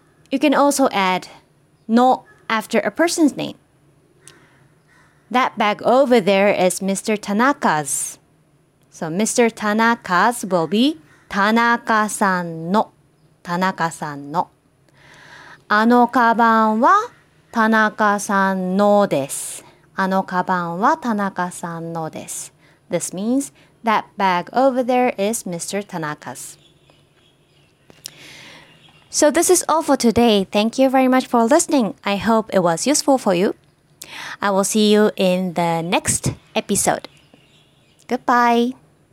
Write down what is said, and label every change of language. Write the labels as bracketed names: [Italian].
[English] You can also add の after a person's name. That bag over there is Mr. Tanaka's. So Mr. Tanaka's will be 田中さんの. [Japanese] 田中さんの. あのカバンは田中さんのです. あのカバンは田中さんのです. [English] This means that bag over there is Mr. Tanaka's. So this is all for today. Thank you very much for listening. I hope it was useful for you. I will see you in the next episode. Goodbye.